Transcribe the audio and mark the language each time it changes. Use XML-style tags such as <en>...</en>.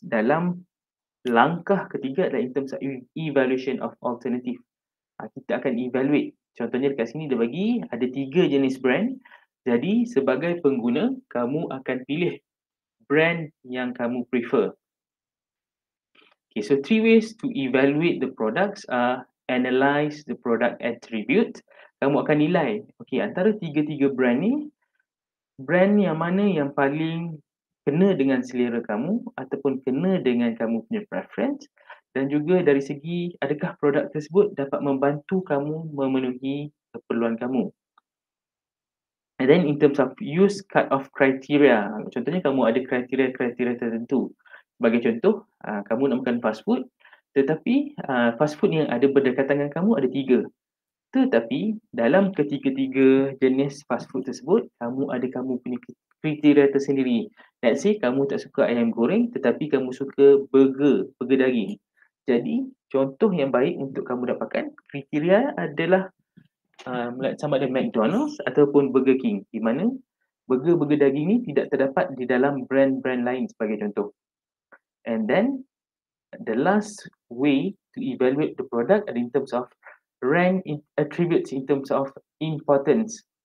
<ms>Dalam langkah ketiga adalah</ms> <en>in terms of evaluation of alternative.</en> <ms>Kita akan evaluate. Contohnya dekat sini dia bagi ada 3 jenis brand. Jadi sebagai pengguna, kamu akan pilih brand yang kamu prefer.</ms> <en>Okay, so 3 ways to evaluate the products are analyze the product attribute.</en> <ms>Kamu akan nilai, okay, antara 3-3 brand ni, brand yang mana yang paling kena dengan selera kamu ataupun kena dengan kamu punya preference, dan juga dari segi adakah produk tersebut dapat membantu kamu memenuhi keperluan kamu.</ms> <en>And then in terms of use cut-off criteria,</en> <ms>contohnya kamu ada kriteria-kriteria tertentu. Sebagai contoh, kamu nak makan fast food, tetapi fast food yang ada berdekatan dengan kamu ada 3. Tetapi dalam ketiga-tiga jenis fast food tersebut, kamu ada kamu punya kriteria tersendiri.</ms> <en>Let's say</en> <ms>kamu tak suka ayam goreng tetapi kamu suka burger daging. Jadi contoh yang baik untuk kamu dapatkan kriteria adalah sama ada McDonald's ataupun Burger King, di mana burger daging ni tidak terdapat di dalam brand-brand lain sebagai contoh.</ms> <en>And then the last way to evaluate the product in terms of rank attributes in terms of importance.</en>